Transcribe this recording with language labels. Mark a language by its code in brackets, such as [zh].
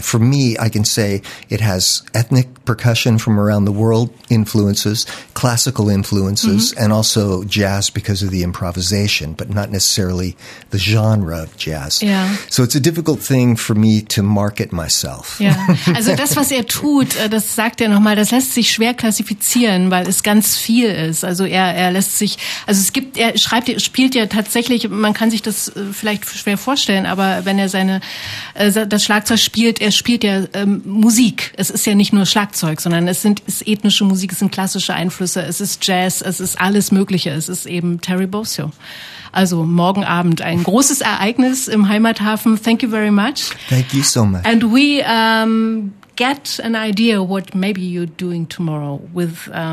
[en] For me, I can say it has ethnic percussion from around the world influences, classical influences, and also jazz because of the improvisation, but not necessarily the genre of jazz. Yeah. So it's a difficult thing for me to market myself. Yeah. [de] Also das, was er tut, das sagt er nochmal, das lässt sich schwer klassifizieren, weil es ganz viel ist. Also er lässt sich, also es gibt, er schreibt, er spielt ja tatsächlich, man kann sich das vielleicht schwer vorstellen, aber wenn er seine das Schlagzeug spielt, er spielt ja Musik. Es ist ja nicht nur Schlagzeug, sondern es ist ethnische Musik, es sind klassische Einflüsse, es ist Jazz, es ist alles Mögliche. Es ist eben Terry Bozio. Also morgen Abend ein großes Ereignis im Heimathafen. [en] Thank you very much. Thank you so much. And we get an idea what maybe you're doing tomorrow with